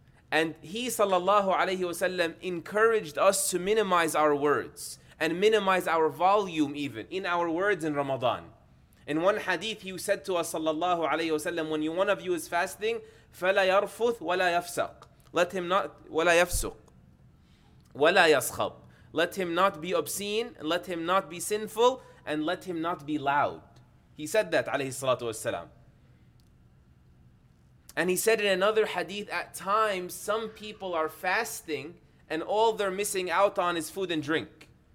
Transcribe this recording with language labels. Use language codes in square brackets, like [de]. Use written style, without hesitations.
[en] And he, sallallahu alayhi wasallam, encouraged us to minimize our words and minimize our volume even in our words in Ramadan. In one hadith, he said to us, sallallahu alayhi wasallam, when one of you is fasting, [ar] فَلَا يَرْفُثْ وَلَا يَفْسَقْ. [en] Let him not, [ar] وَلَا يَفْسُقْ وَلَا يَسْخَبْ. [en] Let him not be obscene, let him not be sinful, and let him not be loud. He said that, alayhi salatu wasalam. And he said in another hadith, at times some people are fasting and all they're missing out on is food and drink.